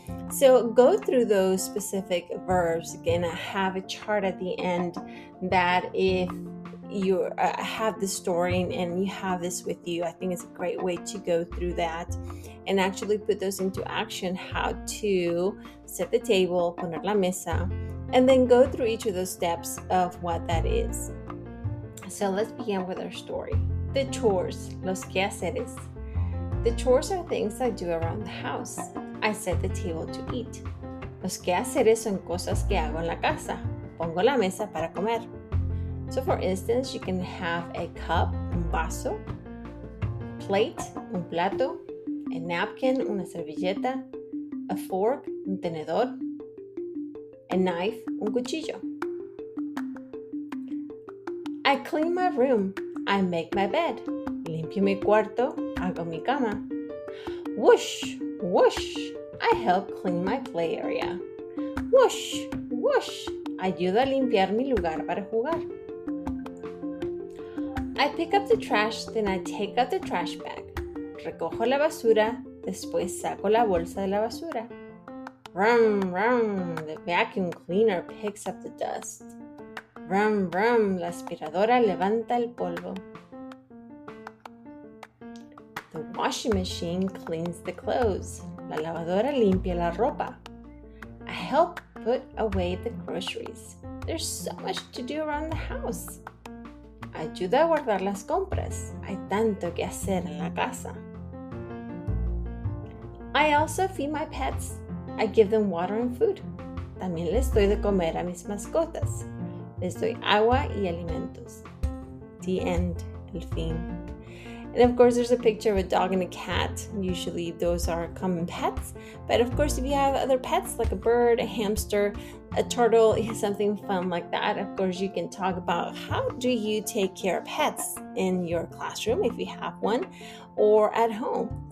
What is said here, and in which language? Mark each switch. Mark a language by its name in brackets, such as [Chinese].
[English] So go through those specific verbs. Again, I have a chart at the end that if you have the story and you have this with you, I think it's a great way to go through that and actually put those into action, how to set the table, [Spanish] poner la mesa, [English] and then go through each of those steps of what that is. So let's begin with our story. The chores, [Spanish] los quehaceres. [English] The chores are things I do around the house. I set the table to eat. [Spanish] Los quehaceres son cosas que hago en la casa. Pongo la mesa para comer. [English] So for instance, you can have a cup, [Spanish] un vaso, [English] plate, [Spanish] un plato, [English] a napkin, [Spanish] una servilleta, [English] a fork, [Spanish] un tenedor, [English] a knife, [Spanish] un cuchillo. [English] I clean my room. I make my bed. [Spanish] Limpio mi cuarto. Hago mi cama. [English] Whoosh, whoosh. I help clean my play area. [Spanish] Whoosh, whoosh. Ayuda a limpiar mi lugar para jugar. [English] I pick up the trash, then I take out the trash bag. [Spanish] Recojo la basura, después saco la bolsa de la basura. [English] Rum, rum, the vacuum cleaner picks up the dust. [Spanish] Rum, rum, la aspiradora levanta el polvo. [English] The washing machine cleans the clothes. [Spanish] La lavadora limpia la ropa. [English] I help put away the groceries. There's so much to do around the house. [Spanish] Ayuda a guardar las compras. Hay tanto que hacer en la casa. [English] I also feed my pets. I give them water and food. [Spanish] También les doy de comer a mis mascotas. Les doy agua y alimentos. [English] The end. [Spanish] El fin. [English] And of course, there's a picture of a dog and a cat. Usually those are common pets. But of course, if you have other pets like a bird, a hamster, a turtle, something fun like that, of course, you can talk about how do you take care of pets in your classroom if you have one or at home.